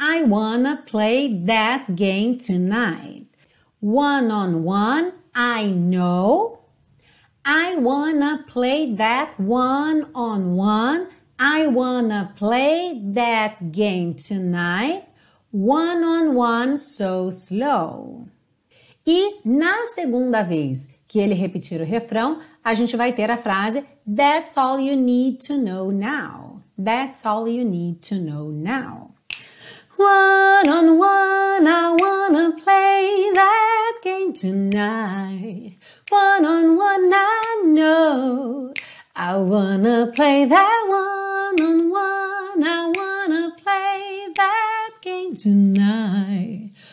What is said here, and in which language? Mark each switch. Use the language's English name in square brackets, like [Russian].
[English] I wanna play that game tonight. One on one. I know. I wanna play that one on one. I wanna play that game tonight. One on one, so slow. [Portuguese] E na segunda vez que ele repetir o refrão, a gente vai ter a frase [English] That's all you need to know now. That's all you need to know now. One on one, I wanna play that game tonight. One on one, I know. I wanna play that one on one, I wanna play that game tonight.